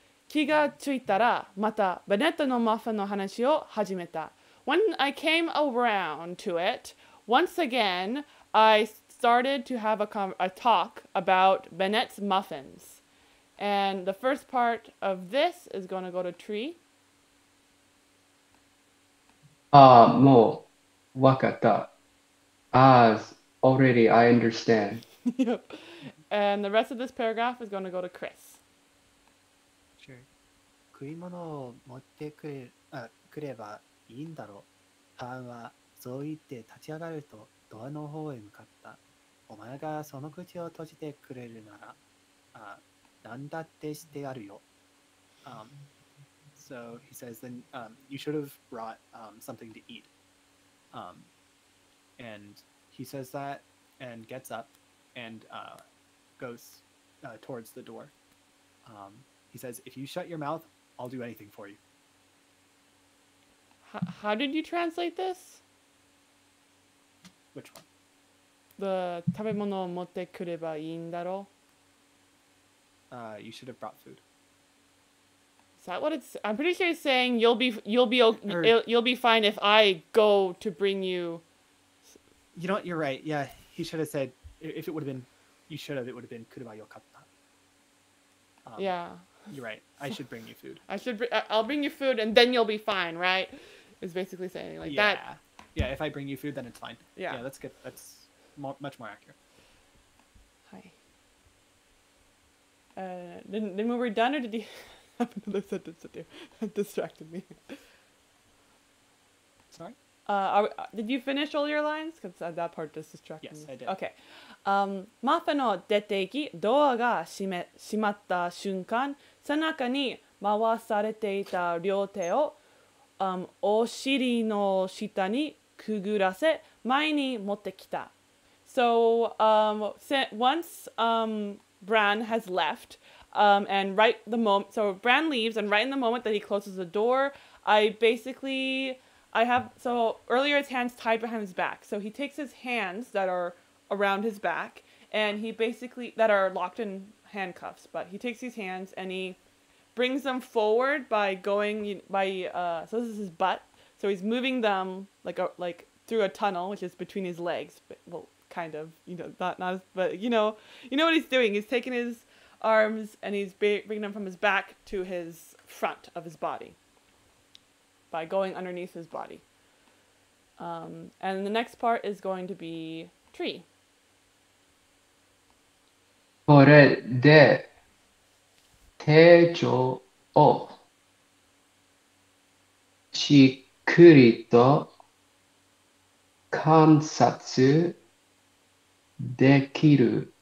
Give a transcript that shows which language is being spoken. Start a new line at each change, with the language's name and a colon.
Japanese: 気がついたらまたベネットのマフィンの話を始めた。
English: When I came around to it, once again, I started to have a talk about Bennett's muffins. And the first part of this is going to go to Tree.
Japanese: もうわかった。
English: As already, I understand. And the rest of this paragraph is going to go to Chris. Sure.
Japanese: 食い物を持ってくればいいんだろう。パンはそう言って立ち上がるとドアの方へ向かった。お前がその口を閉じてくれるなら、何だってしてやるよ。
English: So he says, then you should have brought something to eat. And he says that and gets up and goes towards the door. He says, if you shut your mouth, I'll do anything for you. How did you translate this? Which one?
Japanese: The 食べ物を持ってくればいいんだろう?
English: You should have brought food. Is that what it's... I'm pretty sure it's saying you'll be fine if I go to bring you... You know what? You're right. Yeah, he should have said... If it would have been... You should have. It would have been...
Japanese: Kureba yo katta.
English: Yeah. You're right. I should bring you food. I'll bring you food and then you'll be fine, right? Is basically saying like yeah. that. Yeah, if I bring you food, then it's fine. Yeah. Yeah, that's good. That's much more accurate. Hi. Then were we done, or did you have another sentence that distracted me? Sorry? Did you finish all your lines? Because that part just distracted yes, me. Yes, I did. Okay.
Japanese: マフェの出て行き、ドアが閉まった瞬間、背中に回されていた両手を、お尻の下にくぐらせ、前に持ってきた。
English: So, once Bran has left, and right the moment, so Bran leaves, and right in the moment that he closes the door, earlier his hands tied behind his back. So he takes his hands that are around his back, and he basically, that are locked in handcuffs, but he takes these hands and he brings them forward by going, so this is his butt. So he's moving them like through a tunnel, which is between his legs, but, well, kind of, you know, not, but you know what he's doing. He's taking his arms and he's bringing them from his back to his front of his body. By going underneath his body. And the next part is going to be Tree.
Japanese: これで手帳をしっくりと観察できる。